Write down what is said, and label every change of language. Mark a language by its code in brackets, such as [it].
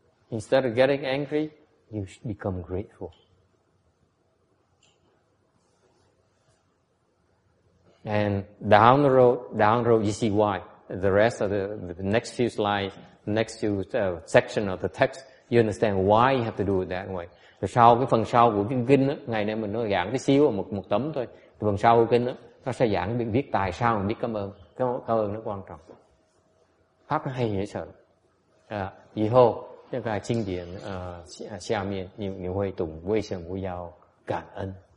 [en] Instead of getting angry, you should become grateful. And down the road, you see why. The rest of the next few slides, next few section of the text, you understand why you have to do it that way. [vi] Sau cái phần sau của kinh đó, ngày nay mình nó giảng cái xíu một tấm thôi. Phần sau của kinh đó, nó sẽ giảng biết tại sao mình biết cảm ơn. Cảm ơn nó quan trọng. Pháp nó hay dễ sợ. [zh] À, 以后, 这个经典, 下面, 你会懂, 为什么要感恩?